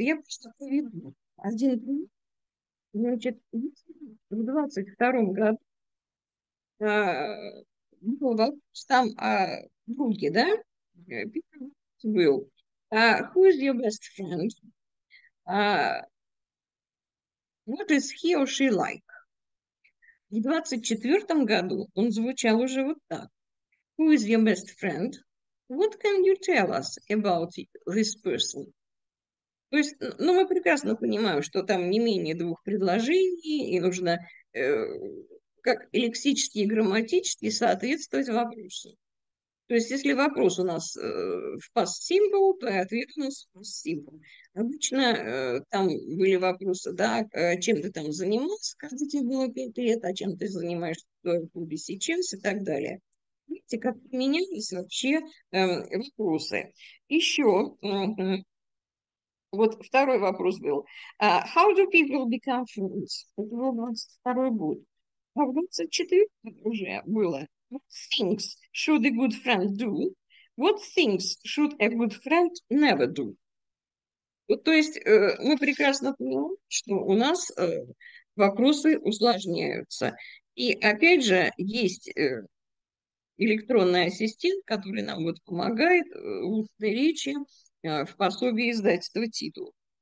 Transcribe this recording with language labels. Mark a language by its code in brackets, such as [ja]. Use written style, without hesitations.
[ru] Я просто поведу один пример. Значит, в 22-м году был вопрос там о друге, да? Был. [en] Who is your best friend? What is he or she like? [ru] В 24-м году он звучал уже вот так. [en] Who is your best friend? What can you tell us about this person? [ru] То есть, ну, мы прекрасно понимаем, что там не менее двух предложений, и нужно как лексически и грамматически соответствовать вопросу. То есть, если вопрос у нас в past simple, то и ответ у нас в past simple. Обычно там были вопросы, да, чем ты там занимался, когда тебе было 5 лет, а чем ты занимаешься в клубе сейчас и так далее. Видите, как поменялись вообще вопросы. Еще вот второй вопрос был. [en] How do people become friends? [ru] Это был 22-й год. А в 24-м уже было. [en] What things should a good friend do? What things should a good friend never do? [ru] Вот, то есть мы прекрасно понимаем, что у нас вопросы усложняются. И опять же, есть электронный ассистент, который нам вот помогает в устной речи, в пособии издательства «Титул».